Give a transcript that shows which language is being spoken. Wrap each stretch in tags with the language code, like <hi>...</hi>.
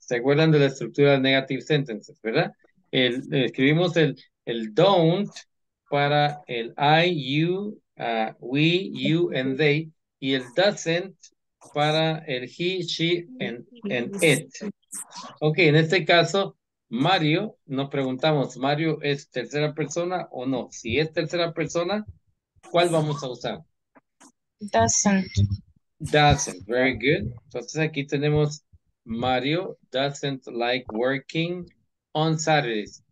<es>¿Se acuerdan de la estructura de negative sentences, verdad? Escribimos el don't para el I, you, we, you, and they, y el doesn't para el he, she, and it. Ok, en este caso, Mario, nos preguntamos, ¿Mario es tercera persona o no? Si es tercera persona, ¿cuál vamos a usar?</es> <en>Doesn't. Doesn't, very good.</en> <es>Entonces aquí tenemos</es> <en>Mario doesn't like working on Saturdays.</en>